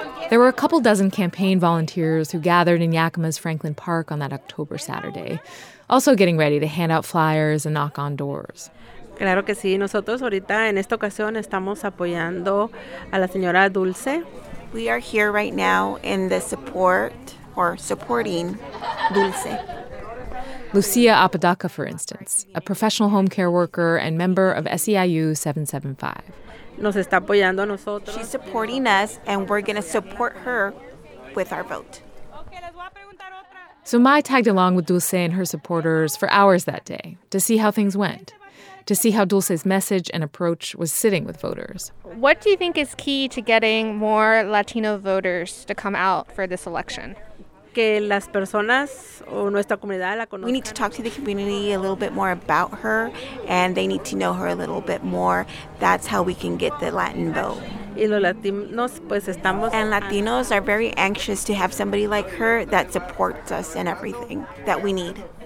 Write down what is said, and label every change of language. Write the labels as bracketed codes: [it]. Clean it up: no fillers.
[en] There were a couple dozen campaign volunteers who gathered in Yakima's Franklin Park on that October Saturday, also getting ready to hand out flyers and knock on doors. [es] Claro que sí. Nosotros ahorita en esta ocasión estamos apoyando a la señora Dulce. [en] We are here right now in the support or supporting Dulce. Lucia Apodaca, for instance, a professional home care worker and member of SEIU 775. [es] Nos está apoyando a nosotros. [en] She's supporting us, and we're going to support her with our vote. So Mai tagged along with Dulce and her supporters for hours that day to see how things went, to see how Dulce's message and approach was sitting with voters. What do you think is key to getting more Latino voters to come out for this election? [es] Que las personas o nuestra comunidad la conozcan. [en] We need to talk to the community a little bit more about her, and they need to know her a little bit more. That's how we can get the Latin vote. [es] Y los latinos, pues, estamos [en] and Latinos are very anxious to have somebody like her that supports us in everything that we need.